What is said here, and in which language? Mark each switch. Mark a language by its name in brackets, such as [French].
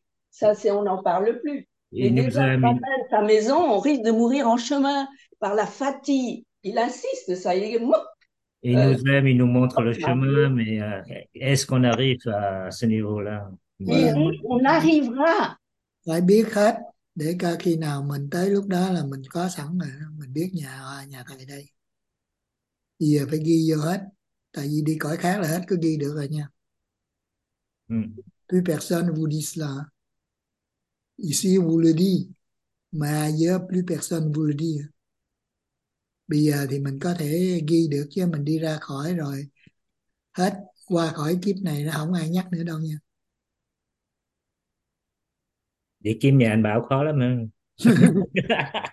[French] Ça, c'est, on n'en parle plus. Mais Il déjà, nous a quand mis. même, sa maison, on risque de mourir en chemin par la fatigue. Il insiste, ça. Il nous aime, il nous montre le chemin, mais est-ce qu'on arrive à ce niveau-là? Voilà. On arrivera. [Vietnamese] Phải biết hết để coi khi nào mình tới lúc đó là mình có sẵn rồi, mình biết nhà nhà thầy đây. Bây giờ phải ghi vô hết, tại vì đi cõi khác là hết cứ ghi được rồi nha. [French] Plus personne vous dit cela. Ici, vous le dit, [Vietnamese] mà [French] ailleurs, plus personne vous le dit. [Vietnamese] Bây giờ thì mình có thể ghi được chứ mình đi ra khỏi rồi hết qua khỏi kiếp này là không ai nhắc nữa đâu Đi kiếm nhà anh bảo khó lắm nha. hả?